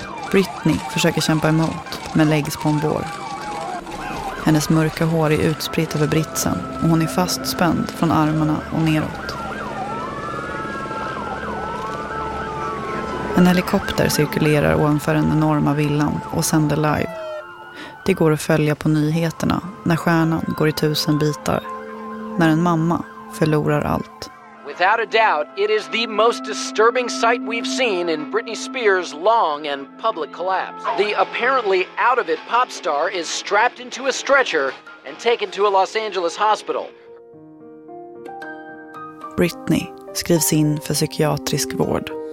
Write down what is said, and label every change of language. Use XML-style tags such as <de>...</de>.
<sv>Britney försöker kämpa emot men läggs på en bår. Hennes mörka hår är utspritt över britsen och hon är fastspänd från armarna och neråt. En helikopter cirkulerar ovanför den enorma villan och sänder live. Det går att följa på nyheterna när stjärnan går i 1,000 bitar. När en mamma förlorar allt.</sv> <en>Without a doubt, it is the most disturbing sight we've seen in Britney Spears' long and public collapse. The apparently out-of-it pop star is strapped into a stretcher and taken to a Los Angeles hospital.</en> <sv>Britney skrivs in för psykiatrisk vård.</sv>